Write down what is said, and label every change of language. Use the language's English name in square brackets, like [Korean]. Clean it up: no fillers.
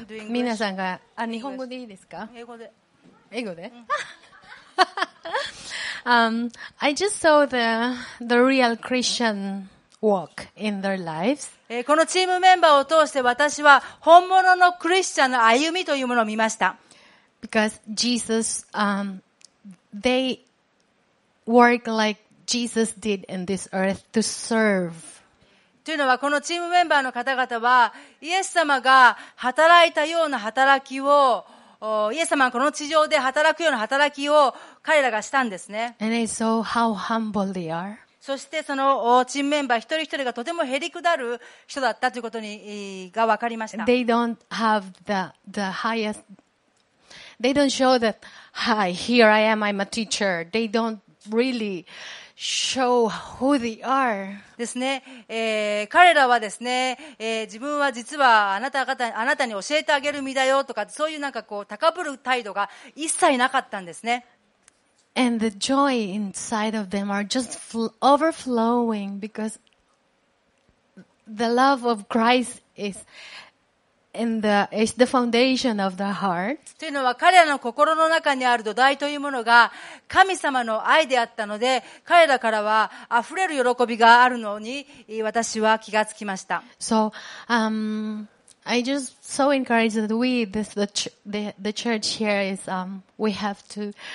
[Japanese] 皆さんが、あ、日本語でいいですか？英語で。英語で？ [English] I just saw the real Christian walk in their lives. [Japanese] このチームメンバーを通して私は本物のクリスチャンの歩みというものを見ました。 [English] Because Jesus, they work like Jesus did in this earth to serve. [Japanese] というのは、このチームメンバーの方々は、イエス様が働いたような働きを、イエス様がこの地上で働くような働きを彼らがしたんですね。 [English] And I saw how humble they are. [Japanese] そしてそのチームメンバー一人一人がとてもへりくだる人だったということにが分かりました。 [English] They don't have the highest. They don't show that. Hi, here I am. I'm a teacher. They don't really show who they are. [Japanese] ですね。彼らはですね、自分は実はあなたに教えてあげる身だよとかそういうなんかこう高ぶる態度が一切なかったんですね。 [English] And the joy inside of them are just overflowing because the love of Christ is in the foundation of the heart. [Japanese] というのは彼らの心の中にある土台というものが神様の愛であったので、彼らからは溢れる喜びがあるのに私は気がつきました。 [English] So, I just so encouraged that we this the church here is we have to.